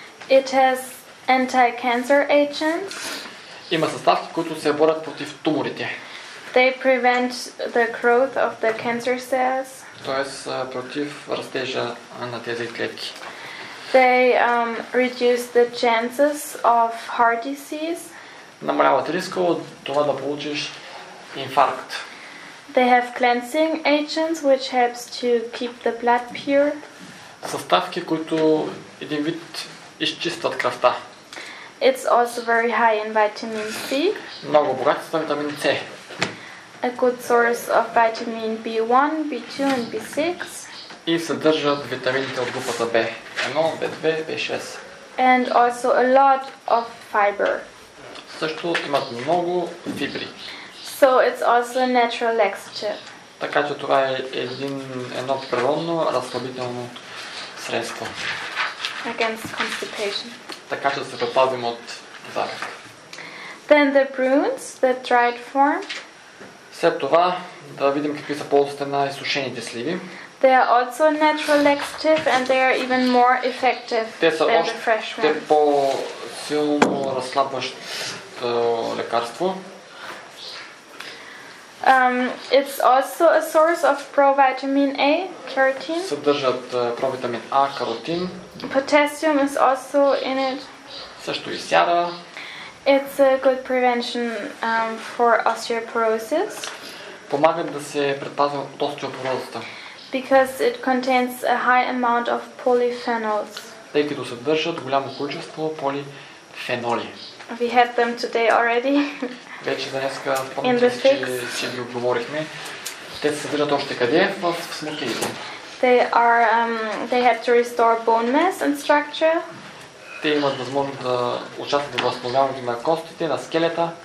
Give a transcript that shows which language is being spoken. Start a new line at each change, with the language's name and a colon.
English: It has anti-cancer agents.
Bulgarian: Има съставки, които се борят против туморите.
English: They prevent the growth of the cancer cells.
Bulgarian: Тоест против растежа на тези клетки.
English: They reduce the chances of heart disease.
Bulgarian: Намаляват риска от това да получиш инфаркт.
English: They have cleansing agents which helps to keep the blood pure.
Bulgarian: Съставки, които един вид изчистват кръвта.
English: It's also very high in vitamin C.
Bulgarian: Много богат с витамин С.
English: A good source of vitamin B1, B2 and B6.
Bulgarian: И съдържат витамините от групата B1, B2, B6.
English: And also a lot of fiber.
Bulgarian: Също имат много фибри.
English: So it's also a natural laxative.
Bulgarian: Така че това е едно природно разслабително средство.
English: Against constipation.
Bulgarian: Така че се предпазим от запек.
English: Then the prunes, the dried form.
Bulgarian: След това да видим какви са ползите на изсушените сливи.
English: They are also a natural laxative and they are even more effective than the fresh ones.
Bulgarian: Те са по-силно разслабващо лекарство.
English: It's also a source of provitamin A, carotene.
Bulgarian: Съдържат провитамин А, каротин.
English: Potassium is also in it.
Bulgarian: Също и сяра.
English: It's a good prevention for osteoporosis.
Bulgarian: Помага да се предпазва от остеопорозата.
English: Because it contains a high amount of polyphenols.
Bulgarian: Тъй като съдържат голямо количество полифеноли.
English: We had them today already.
Bulgarian: Вече днеска помните, че ви говорихме. Те се съдържат още къде? В смокиите.
English: They have to restore bone mass and structure.
Bulgarian: Те имат възможност да участват в възстановяването на костите, на скелета.